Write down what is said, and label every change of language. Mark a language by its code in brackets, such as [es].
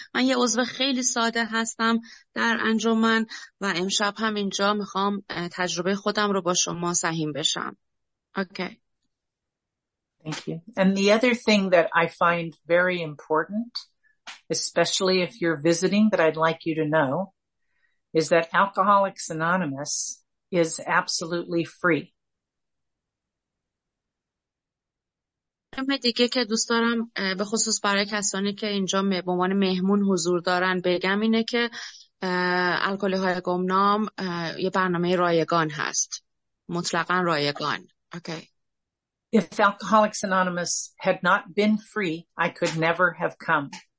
[fa] من یه عضو خیلی ساده هستم در انجمن و امشب هم اینجا میخوام تجربه خودم رو با شما سهیم بشم. [en] Okay. Thank you. And the other thing that I find very important, especially if you're visiting, that I'd like you to know, is that Alcoholics Anonymous is absolutely free. [fa] همه دیگه که دوست دارم به خصوص برای کسانی که اینجا به عنوان مهمون حضور دارن بگم اینه که الکلی‌های گمنام یه برنامه رایگان هست، مطلقاً رایگان. [en] Okay. If Alcoholics Anonymous had not been free, I could never have come.